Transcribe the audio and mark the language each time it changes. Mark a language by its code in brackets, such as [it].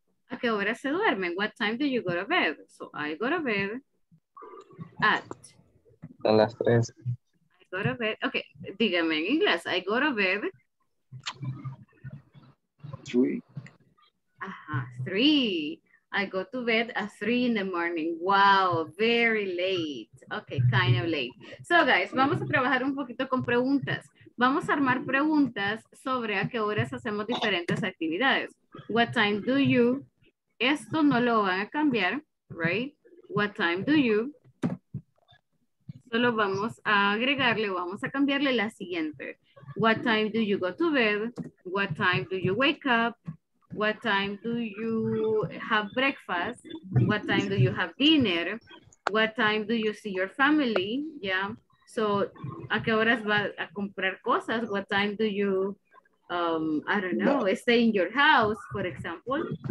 [es] ¿A qué hora se duerme? [en] What time do you go to bed? So I go to bed at. [es] A las tres. [en] I go to bed. Okay, [es] dígame en inglés. [en] I go to bed. Three. Ajá, three. I go to bed at 3 in the morning. Wow, very late. Okay, kind of late. [es] So guys, vamos a trabajar un poquito con preguntas. Vamos a armar preguntas sobre a qué horas hacemos diferentes actividades. [en] What time do you? [es] Esto no lo van a cambiar, right? [en] What time do you? [es] Solo vamos a agregarle, vamos a cambiarle la siguiente. [en] What time do you go to bed? What time do you wake up? What time do you have breakfast? What time do you have dinner? What time do you see your family? Yeah. [es] So, ¿a qué horas va a comprar cosas? [en] What time do you, I don't know, stay in your house, for example?